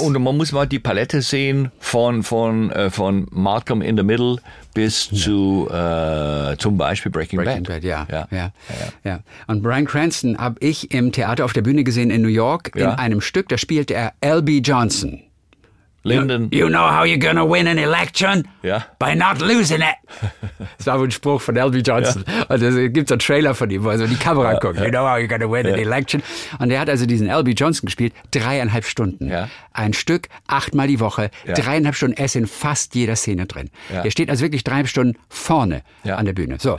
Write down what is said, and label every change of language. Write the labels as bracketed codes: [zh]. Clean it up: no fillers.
[de] Und man muss mal die Palette sehen von Malcolm in the Middle bis ja. zu zum Beispiel Breaking Bad. Ja. Ja. Ja. Ja. Und Bryan Cranston habe ich im Theater auf der Bühne gesehen in New York ja. in einem Stück, da spielt er L.B. Johnson. Lyndon. [en] You know how you're gonna win an election? [de] Ja. [en] By not losing it. [de] Das war ein Spruch von L.B. Johnson. Ja. Und es gibt so einen Trailer von ihm, wo er so in die Kamera ja. guckt. [en] You know how you're gonna win [de] ja. [en] an election? [de] Und er hat also diesen L.B. Johnson gespielt, 3,5 Stunden. Ja. Ein Stück, 8-mal die Woche, ja. 3,5 Stunden. Er ist in fast jeder Szene drin. Ja. Er steht also wirklich 3,5 Stunden vorne ja. an der Bühne. So.